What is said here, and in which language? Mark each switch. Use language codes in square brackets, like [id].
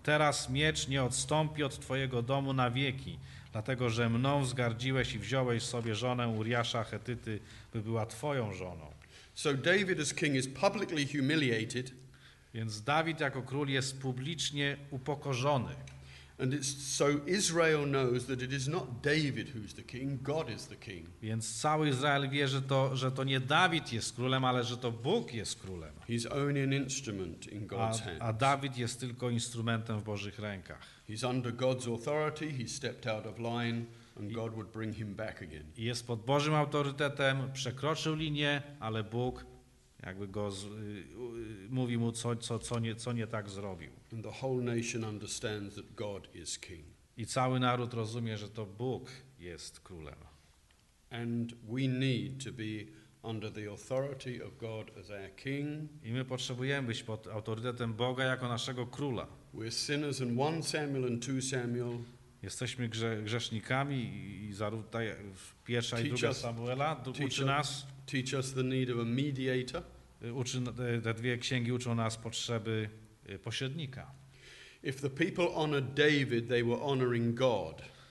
[pl] Teraz miecz nie odstąpi od twojego domu na wieki, dlatego że mną wzgardziłeś i wziąłeś sobie żonę Uriasza Chetyty, by była twoją żoną. [en] So David as king is publicly humiliated. [pl] Więc Dawid jako król jest publicznie upokorzony. [en] And it's so Israel knows that it is not David who's the king, God is the king. [pl] Więc cały Izrael wie, że to nie Dawid jest królem, ale że to Bóg jest królem. [en] He's only an instrument in God's hands. [pl] A Dawid jest tylko instrumentem w Bożych rękach. [en] He's under God's authority, he stepped out of line and God would bring him back again. [pl] Jest pod Bożym autorytetem, przekroczył linię, ale Bóg jakby go mówi mu co nie tak zrobił. [en] And the whole nation understands that God is king. [pl] I cały naród rozumie, że to Bóg jest królem. [en] And we need to be under the authority of God as our king. [pl] I my potrzebujemy być pod autorytetem Boga jako naszego króla. [en] We're sinners in 1 Samuel and 2 Samuel. [pl] Jesteśmy grzesznikami i zarówno tutaj w 1 i 2 Samuela [en] teach us the need of a mediator. [pl] Uczy, te dwie księgi uczą nas potrzeby pośrednika. [en] If the people honored David, they were honoring God.